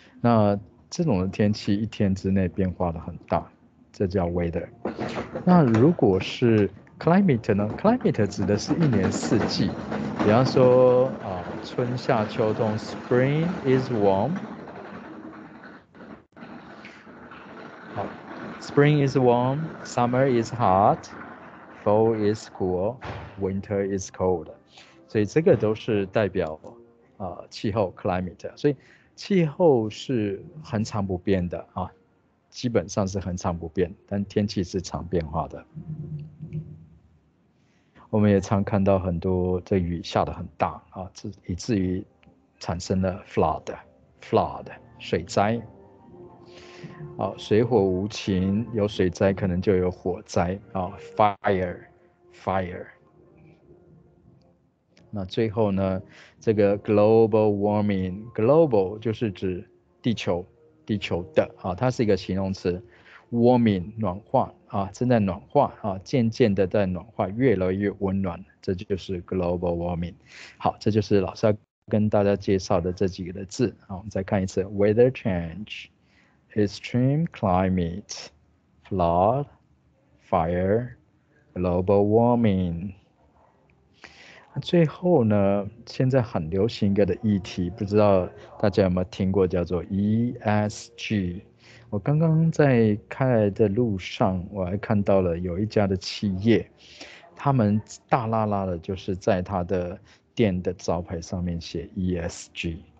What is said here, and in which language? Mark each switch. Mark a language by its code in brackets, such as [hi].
[zh] 那这种的天气一天之内变化的很大，这叫 weather。那如果是 climate 呢？climate 指的是一年四季，比方说啊，春夏秋冬， [en] spring is warm。 Spring is warm, summer is hot, fall is cool, winter is cold。 [zh] 所以这个都是代表气候 climate。所以气候是恒常不变的啊，基本上是恒常不变，但天气是常变化的。我们也常看到很多这雨下得很大啊，以至于产生了 flood 水灾。水火无情，有水灾可能就有火灾啊、，fire。那最后呢，这个 global warming，global 就是指地球的啊，它是一个形容词 ，warming 暖化啊，正在暖化啊，渐渐的在暖化，越来越温暖，这就是 global warming。好，这就是老师要跟大家介绍的这几个的字啊，我们再看一次 ， [en] weather change。 Extreme climate, flood, fire, global warming. [zh] 最后呢，现在很流行一个的议题，不知道大家有没有听过，叫做 ESG。我刚刚在开来的路上，我还看到了有一家的企业，他们大喇喇的，就是在他的店的招牌上面写 ESG。